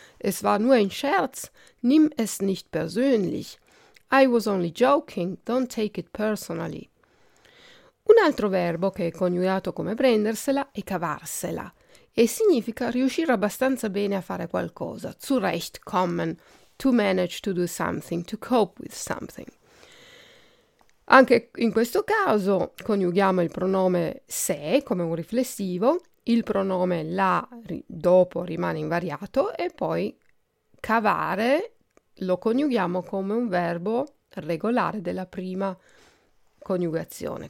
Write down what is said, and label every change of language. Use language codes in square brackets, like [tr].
[de] Es war nur ein Scherz, nimm es nicht persönlich. [en] I was only joking, don't take it personally. [it] Un altro verbo che è coniugato come prendersela è cavarsela. E significa riuscire abbastanza bene a fare qualcosa, zurechtkommen. [en] To manage to do something, to cope with something. [it] Anche in questo caso coniughiamo il pronome se come un riflessivo, il pronome la dopo rimane invariato e poi cavare lo coniughiamo come un verbo regolare della prima coniugazione.